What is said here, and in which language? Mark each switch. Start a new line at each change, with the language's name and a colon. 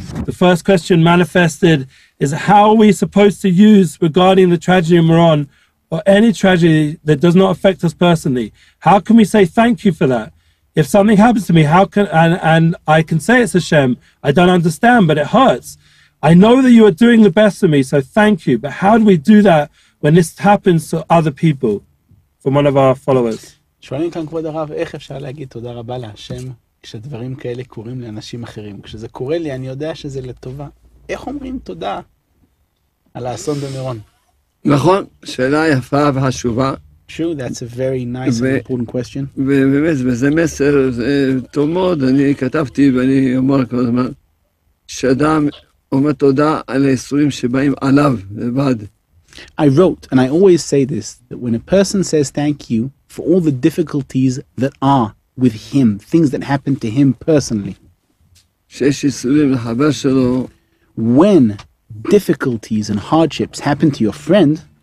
English: The first question manifested is how are we supposed to use regarding the tragedy of Meron or any tragedy that does not affect us personally? How can we say thank you for that? If something happens to me, how can and I can say it's Hashem, I don't understand, but it hurts. I know that you are doing the best for me, so thank you. But how do we do that when this happens to other people? From one of our followers.
Hebrew: שואלים כאן כבוד הרב, איך אפשר להגיד תודה רבה להשם כשדברים כאלה קורים לאנשים אחרים? כשזה קורה לי, אני יודע שזה לטובה. איך אומרים תודה על האסון במירון? נכון, שאלה יפה וחשובה.
English: True, that's a very nice and important question.
Hebrew: ובאמת, וזה מסר, זה תומד, אני כתבתי ואני אומר כל הזמן, שאדם אומר תודה על היסורים שבאים עליו לבד.
English: I wrote, and I always say this, that when a person says thank you for all the difficulties that are with him, things that happen to him personally.
Hebrew: שיש יסורים לחבר שלו.
English: When difficulties and hardships happen to your friend,